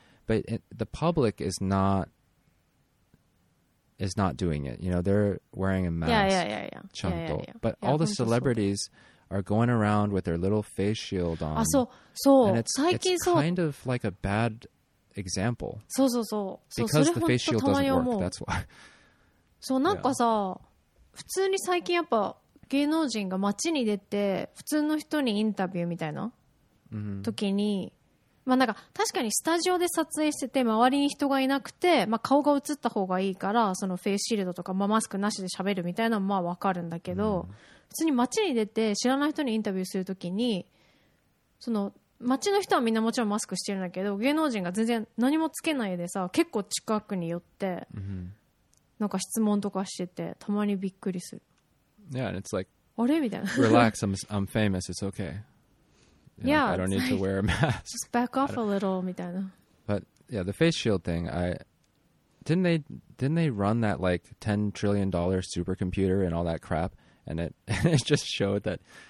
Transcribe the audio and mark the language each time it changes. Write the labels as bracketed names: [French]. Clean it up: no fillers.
[English] But the public is not doing it. You know, they're wearing a mask. Yeah. [Japanese] Chanto. [English] But all the celebrities are going around with their little face shield on. So. And it's kind of like a bad example. So. Because the face shield doesn't work, that's why. [Japanese] そう、なんかさ、普通に最近やっぱ芸能人が街に出て普通の人にインタビューみたいな時に、まあなんか確かにスタジオで撮影してて周りに人がいなくて、まあ顔が映った方がいいからそのフェイスシールドとか、まあ、マスクなしで喋るみたいなのもまあわかるんだけど、普通に街に出て知らない人にインタビューする時に、その街の人はみんなもちろんマスクしてるんだけど、芸能人が全然何もつけないでさ、結構近くに寄って、なんか質問とかしてて、たまにびっくりする。 [English] Yeah, and it's like, [Japanese] あれみたいな。 [English] Relax, I'm famous, it's okay. You know, I don't need to wear a mask. Just back off a little, [Japanese] みたいな。 [English] But yeah, the face shield thing, didn't they run that like $10 trillion supercomputer and all that crap, and it just showed that